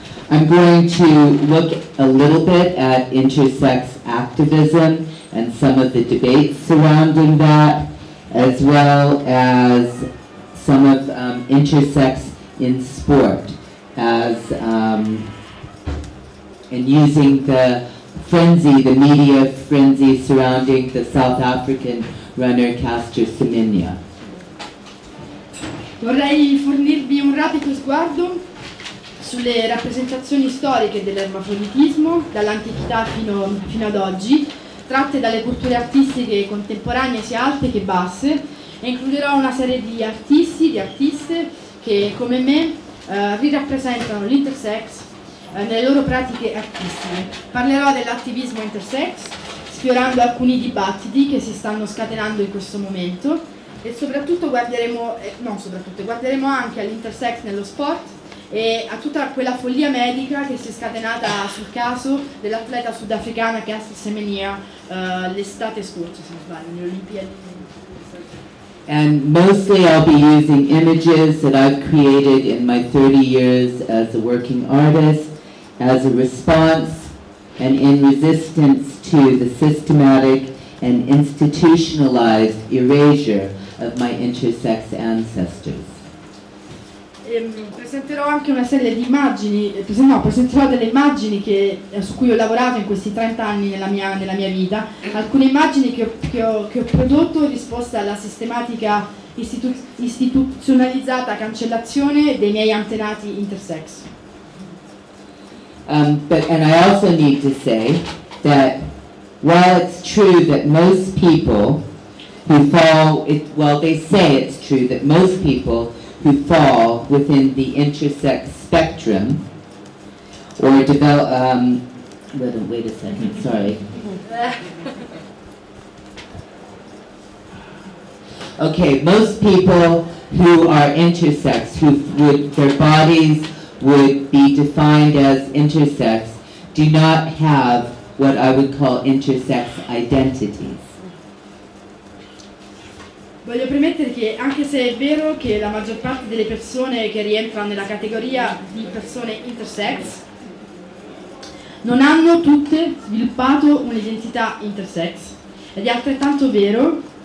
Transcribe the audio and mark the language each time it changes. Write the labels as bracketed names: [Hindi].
[English] I'm going to look a little bit at intersex activism and some of the debates surrounding that, as well as some of intersex in sport, as and using the frenzy, the media frenzy surrounding the South African runner Caster Semenya. [Italian] Vorrei fornirvi un rapido sguardo sulle rappresentazioni storiche dell'ermafroditismo dall'antichità fino ad oggi, tratte dalle culture artistiche contemporanee sia alte che basse, e includerò una serie di artisti, di artiste che come me rirappresentano l'intersex nelle loro pratiche artistiche. Parlerò dell'attivismo intersex, sfiorando alcuni dibattiti che si stanno scatenando in questo momento, e soprattutto guarderemo anche all'intersex nello sport e a tutta quella follia medica che si è scatenata sul caso dell'atleta sudafricana Caster Semenya l'estate scorsa, se non sbaglio, nelle Olimpiadi. [English] And mostly I'll be using images that I've created in my 30 years as a working artist as a response and in resistance to the systematic and institutionalized erasure of my intersex ancestors. [Italian] Presenterò anche una serie di immagini, presenterò delle immagini su cui ho lavorato in questi 30 anni nella mia vita, alcune immagini che ho prodotto in risposta alla sistematica istituzionalizzata cancellazione dei miei antenati intersex. [English] And I also need to say that while it's true that most people who fall, they say it's true that most people who fall within the intersex spectrum or develop, wait a second, sorry. Okay, most people who are intersex, their bodies would be defined as intersex, do not have what I would call intersex identities. [Italian] Voglio premettere che anche se è vero che la maggior parte delle persone che rientrano nella categoria di persone intersex non hanno tutte sviluppato un'identità intersex, ed è altrettanto vero...